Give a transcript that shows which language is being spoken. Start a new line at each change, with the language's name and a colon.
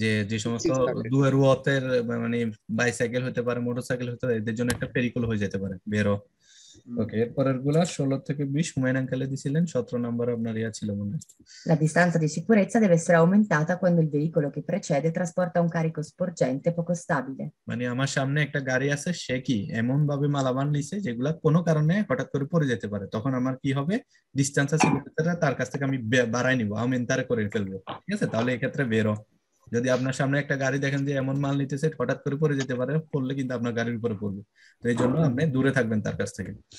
Bangla: যে সমস্ত দুয়ে রুয়তের মানে বাইসাইকেল হতে পারে, মোটরসাইকেল হতে পারে, এদের জন্য একটা পেরিকুল হয়ে যেতে পারে, বেরো। ওকে, এরপরের গুলো 16 থেকে 20 হুমায়ুন আঙ্কালে দিছিলেন, 17 নম্বর আপনার ইয়া ছিল মনে হয়।
Italian: La distanza di sicurezza deve essere aumentata quando il veicolo che precede trasporta un carico sporgente poco stabile.
Bangla: মানে আমার সামনে একটা গাড়ি আছে, সে কি এমন ভাবে মালামাল নিছে যেগুলো কোনো কারণে হঠাৎ করে পড়ে যেতে পারে, তখন আমার কি হবে, ডিস্টেন্স সিকিউরিটিটা তার কাছ থেকে আমি বাড়াই নিব, আমেন্টার করে ফেলবো, ঠিক আছে, তাহলে এক্ষেত্রে বেরো। যদি আপনার সামনে একটা গাড়ি দেখেন যে এমন মাল নিতেছে হঠাৎ করে পড়ে যেতে পারে, পড়লে কিন্তু আপনার গাড়ির উপরে পড়বে, তো এই জন্য আপনি দূরে থাকবেন তার কাছ থেকে।